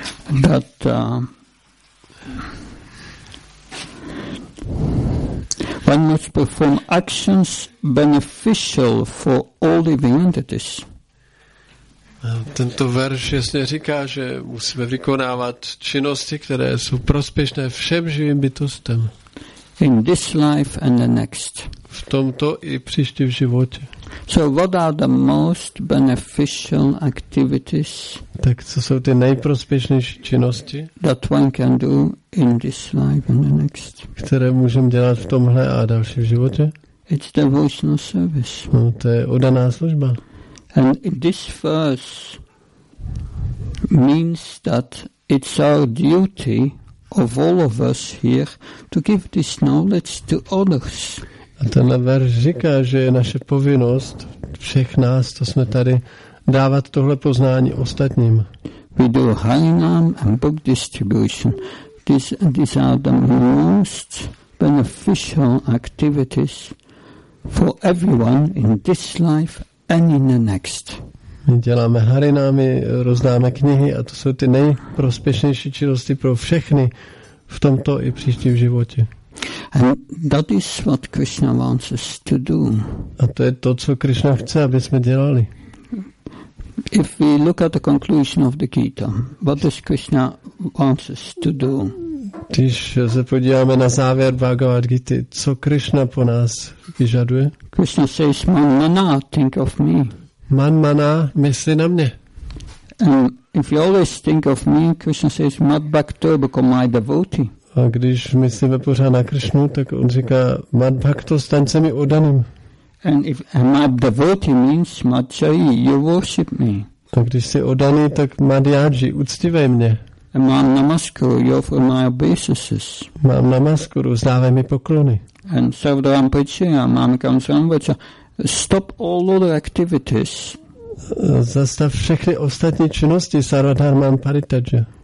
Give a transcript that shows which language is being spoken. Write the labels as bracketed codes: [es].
[en] But one must perform actions beneficial for all living entities. [cs] Tento verš jasně říká, že musíme vykonávat činnosti, které jsou prospěšné všem živým bytostem. [en] In this life and the next. [cs] V tomto i příštím životě. [en] So what are the most beneficial activities? [cs] Tak co jsou ty nejprospěšnější činnosti? [en] That one can do in this life and the next. [cs] Které můžeme dělat v tomhle a dalším životě? [en] It's devotional service. [cs] No, to je oddaná služba. [en] And this verse means that it's our duty of all of us here to give this knowledge to others. [cs] A tenhle verš říká, že je naše povinnost všech nás, to jsme tady, dávat tohle poznání ostatním. [en] We do Harinam and book distribution. These are the most beneficial activities for everyone in this life and in the next. [cs] My děláme harinámy, rozdáme knihy a to jsou ty nejprospěšnější činnosti pro všechny v tomto i příštím životě. [en] And that is what Krishna wants us to do. [cs] A to je to, co Krishna chce, aby jsme dělali. [en] If we look at the conclusion of the Gita, what does Krishna wants us to do? [cs] Když se podíváme na závěr Bhagavad Gita, co Krishna po nás vyžaduje? [en] Krishna says, [sa] man mana, [en] think of me. [sa] Man mana, [cs] myslí na mě. [en] And if you always think of me, Krishna says, [sa] mad bhakto, [en] become my devotee. [cs] A když myslíme pořád na Krishnu, tak on říká, [sa] mad bhakto, [cs] staň se mi oddaným. [en] And if mad devotee means [sa] mad jayi, [en] you worship me. [cs] Tak když jsi oddaný, tak [sa] mad jayi, [cs] uctívej mě. [sa] Mám namasku, [en] you offer my obeisances. [sa] Mám namasku, [cs] rozdávej mi poklony. [en] And [sa] sarvadvam pachaya, mám kamsvam vacha. [en] Stop all other activities. [cs] Zastav všechny ostatní činnosti, [sa] sarvadharmam paritaja.